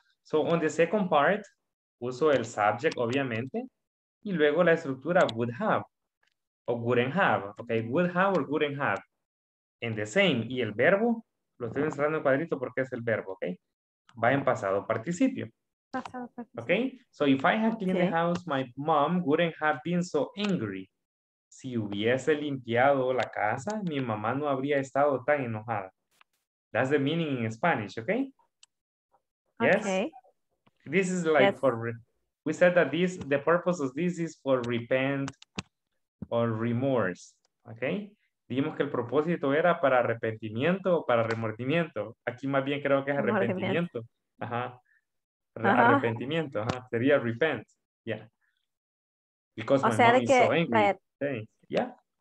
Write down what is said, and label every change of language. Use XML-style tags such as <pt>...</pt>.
<en>So on the second part,</en> <es>uso el subject, obviamente, y luego la estructura</es> <en>would have o wouldn't have, okay? Would have or wouldn't have. And the same,</en> <es>y el verbo, lo estoy encerrando en cuadrito porque es el verbo, okay? Va en pasado participio.</es> <en>Okay, so if I had cleaned the house, my mom wouldn't have been so angry.</en> <es>Si hubiese limpiado la casa, mi mamá no habría estado tan enojada.</es> <en>That's the meaning in Spanish, okay? Yes? Okay. This is like yes. We said that this, the purpose of this is for repent or remorse, okay?</en> <es>Dijimos que el propósito era para arrepentimiento o para remordimiento. Aquí más bien creo que es arrepentimiento. Ajá. Arrepentimiento, ajá.</es> <en>Sería repent, yeah. Because my mom is so angry. Yeah,</en>